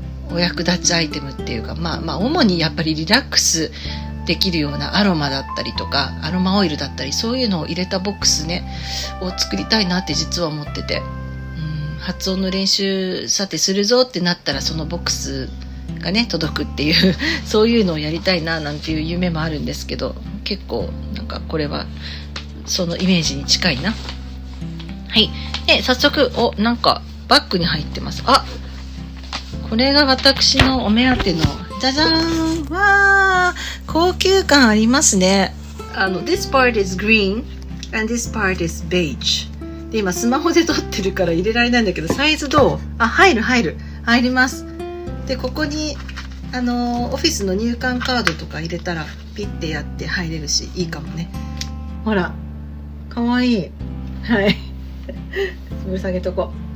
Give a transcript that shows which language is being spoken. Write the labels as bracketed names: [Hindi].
[Japanese] うお役立ちアイテムっていうか、まあまあ主にやっぱりリラックスできるようなアロマだったりとか、アロマオイルだったり、そういうのを入れたボックスねを作りたいなって実は思ってて、発音の練習さてするぞってなったらそのボックスがね届くっていう、そういうのをやりたいななんていう夢もあるんですけど、結構なんかこれはそのイメージに近いな。はい、で早速、お、なんかバッグに入ってます。あ、これが私のお目当てのじゃじゃーん、わー、高級感ありますね。 [English] This part is green and this part is beige。 [Japanese] で今スマホで撮ってるから入れられないんだけど、サイズどう？あ、入る入る、入ります。でここにオフィスの入館カードとか入れたらピッてやって入れるし、いいかもね。ほら、かわいい。はい、つぶさげとこ。